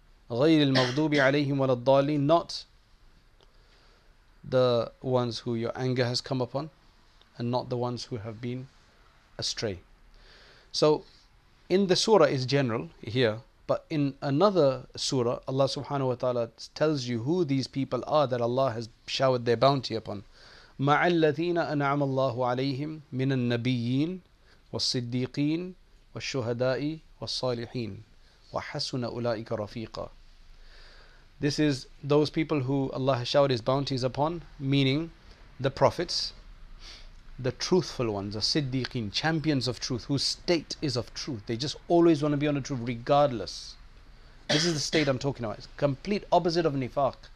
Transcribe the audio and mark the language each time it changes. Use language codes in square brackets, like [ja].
[ar] غير المغضوب عليهم ولا الضالين, [en] not the ones who your anger has come upon and not the ones who have been astray. So in the surah is general here, but in another surah Allah subhanahu wa ta'ala tells you who these people are that Allah has showered their bounty upon. [ar] مع الذين أنعم الله عليهم من النبيين والصديقين والشهداء والصالحين وحسن أولئك رفيقا. [en] This is those people who Allah has showered His bounties upon, meaning the prophets, the truthful ones, the siddiqeen, champions of truth, whose state is of truth. They just always want to be on the truth regardless. This is the state I'm talking about. It's complete opposite of nifaq.